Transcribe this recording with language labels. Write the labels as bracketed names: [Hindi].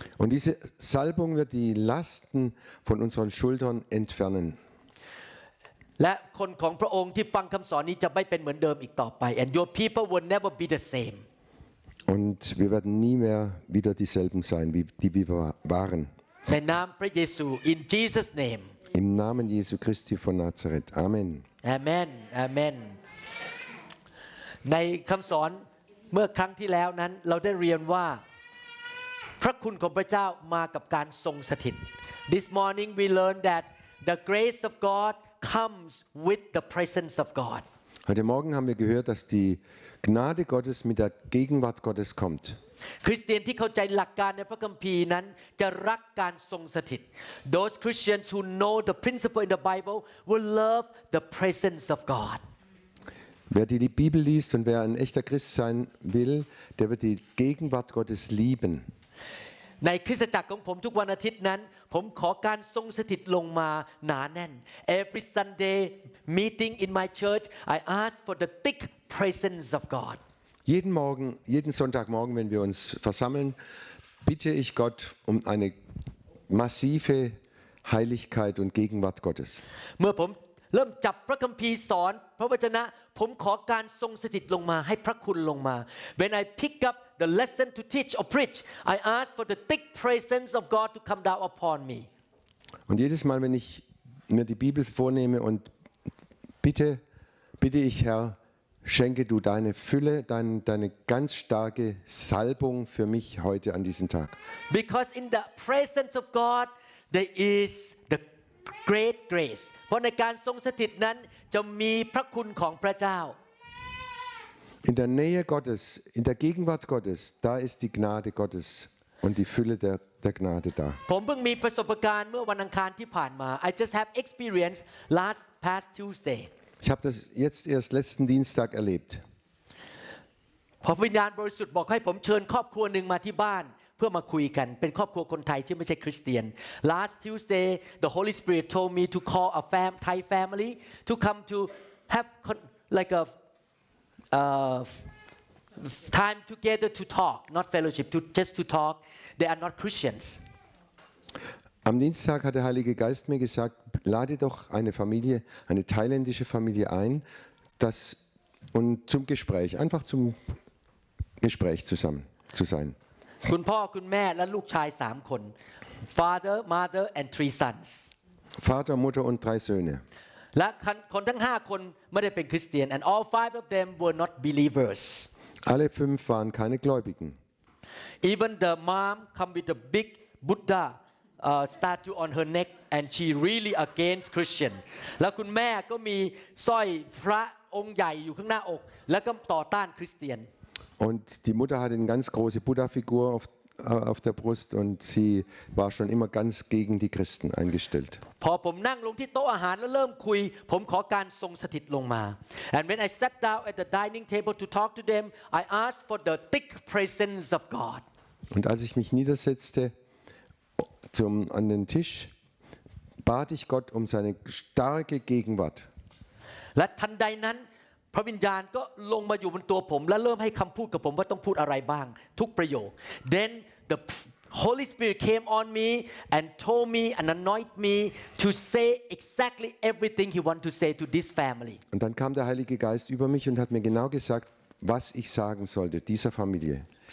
[German] Und diese Salbung wird die Lasten von unseren Schultern entfernen. [Thai] และคนของพระองค์ที่ฟังคำสอนนี้จะไม่เป็นเหมือนเดิมอีกต่อไป [English] And your people will never be the same. [German] Und wir werden nie mehr wieder dieselben sein, wie die wir waren. [Thai] ในนามพระเยซู [English] in Jesus name [German] im Namen Jesu Christi von Nazareth amen [Thai] amen amen ในคำสอนเมื่อครั้งที่แล้วนั้นเราได้เรียนว่าพระคุณของพระเจ้ามากับการทรงสถิต [English] this morning we learned that the grace of God [Thai] comes with the presence of God [German] heute morgen haben wir gehört dass die Gnade Gottes mit der Gegenwart Gottes kommt [Thai] คริสเตียนที่เข้าใจหลักการในพระคัมภีร์นั้นจะรักการทรงสถิต [English] Those Christians who know the principle in the Bible will love the presence of God. [German] Wer die Bibel liest und wer ein echter Christ sein will, der wird die Gegenwart Gottes lieben. [Thai] ในคริสตจักรของผมทุกวันอาทิตย์นั้นผมขอการทรงสถิตลงมาหนาแน่น [English] Every Sunday meeting in my church, I ask for the thick presence of God. [German] Jeden Morgen, jeden Sonntagmorgen, wenn wir uns versammeln, bitte ich Gott um eine massive Heiligkeit und Gegenwart Gottes. [English] When I pick up the lesson to teach or preach, I ask for the thick presence of God to come down upon me. [German] Und jedes Mal, wenn ich mir die Bibel vornehme und bitte, bitte ich, Herr, schenke du deine Fülle, deine ganz starke Salbung für mich heute an diesem Tag. [English] Because in the presence of God there is the great grace. [Thai] เพราะในการทรงสถิตนั้นจะมีพระคุณของพระเจ้า [German] In der Nähe Gottes, in der Gegenwart Gottes, da ist die Gnade Gottes und die Fülle der Gnade da. [Thai] ผมเพิ่งมีประสบการณ์เมื่อวันอังคารที่ผ่านมา [English] I just have experienced last past Tuesday. [German] Ich habe das jetzt erst letzten Dienstag erlebt. [Thai] พระวิญญาณบริสุทธิ์บอกให้ผมเชิญครอบครัวหนึ่งมาที่บ้านเพื่อมาคุยกันเป็นครอบครัวคนไทยที่ไม่ใช่คริสเตียน [English] Last Tuesday the Holy Spirit told me to call a Thai family to come to have like a time together to talk not fellowship to just to talk they are not Christians. [German] Am Dienstag hat der Heilige Geist mir gesagt, lade doch eine Familie, eine thailändische Familie ein, das und zum Gespräch, einfach zum Gespräch zusammen zu sein. [Thai] Kun pa, kun mae, la luk chai sam kon. [English] Father, mother and three sons. [German] Vater, Mutter und drei Söhne. [Thai] La kan kon tang 5 kon mae pen Christian [English] and all 5 of them were not believers. [German] Alle 5 waren keine Gläubigen. [English] Even the mom come with a big Buddha. Statue on her neck, and she really against Christian. [Thai] แล้วคุณแม่ก็มีสร้อยพระองค์ใหญ่อยู่ข้างหน้าอกแล้วก็ต่อต้านคริสเตียน [German] Und die Mutter hatte eine ganz große Buddha-Figur auf der Brust, und sie war schon immer ganz gegen die Christen eingestellt. [Thai] พอผมนั่งลงที่โต๊ะอาหารแล้วเริ่มคุยผมขอการทรงสถิตลงมา [English] And when I sat down at the dining table to talk to them, I asked for the thick presence of God. [German] Und als ich mich niedersetzte. An den Tisch bat ich Gott um seine starke Gegenwart. Jeden Satz. [English] Then the Holy Spirit came on me and told me and anointed me to say exactly everything He wanted to say to this family. [German] Und dann kam der Heilige Geist über mich und hat mir genau gesagt, was ich sagen sollte dieser Familie.